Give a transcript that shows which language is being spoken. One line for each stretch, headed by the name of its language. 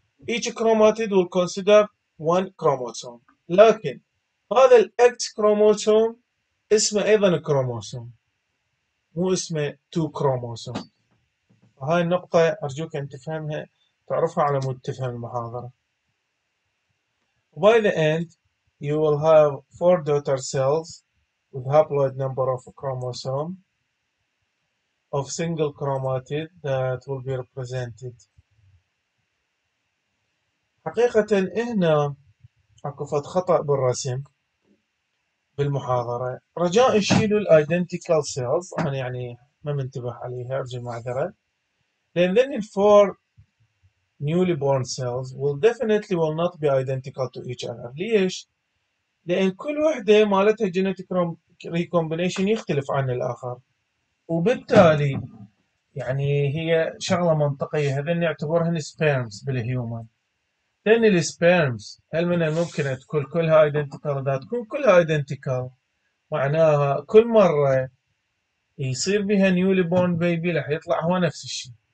English: Each chromatid will consider one chromosome.
Arabic: لكن هذا الاكس كروموسوم اسمه ايضا كروموسوم. مو اسمه تو كروموسوم. هاي النقطة ارجوك ان تفهمها تعرفها على مود تفهم المحاضرة.
English: By the end, you will have four daughter cells with haploid number of chromosome of single chromatid that will be represented.
Arabic: حقيقة هنا اكو فد خطأ بالرسم بالمحاضرة. رجاء شيلوا ال
English: identical cells.
Arabic: انا يعني ما منتبه عليها ارجو المعذرة.
English: لان then the four newly born cells will definitely will not be identical to each other.
Arabic: ليش؟ لأن كل وحدة مالتها genetic recombination يختلف عن الآخر. وبالتالي يعني هي شغلة منطقية هذين يعتبرهن sperms بالهيومن. لأن sperms هل من الممكن تكون كلها identical؟ إذا تكون كلها identical معناها كل مرة يصير بها
English: newly born baby
Arabic: راح يطلع هو نفس الشيء.